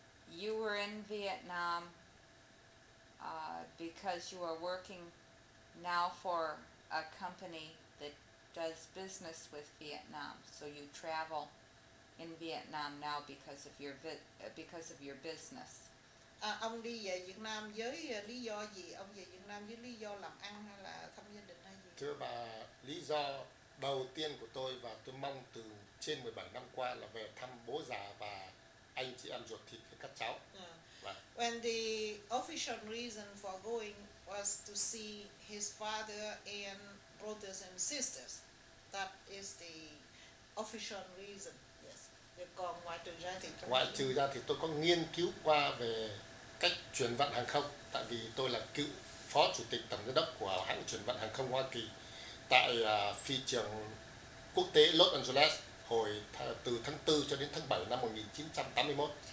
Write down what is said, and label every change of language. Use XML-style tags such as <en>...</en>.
<en>You were in Vietnam because you are working now for a company that does business with Vietnam, so you travel in Vietnam now because of your business.</en> <vi>Ông đi về Việt Nam với lý do gì? Ông về Việt Nam với lý do làm ăn hay là thăm gia đình hay gì? Thưa bà, lý do đầu tiên của tôi và tôi mong từ trên 17 năm qua là về thăm bố già và anh chị em ruột thịt với các cháu.</vi> <en>When the official reason for going was to see his father and brothers and sisters. That is the official reason. Yes. Còn</en> <vi>ngoài trừ ra thì tôi có nghiên cứu qua về cách chuyển vận hàng không, tại vì tôi là cựu phó chủ tịch tổng giám đốc của hãng chuyển vận hàng không Hoa Kỳ tại phi trường quốc tế Los Angeles hồi từ tháng 4 cho đến tháng 7 năm 1981.</vi>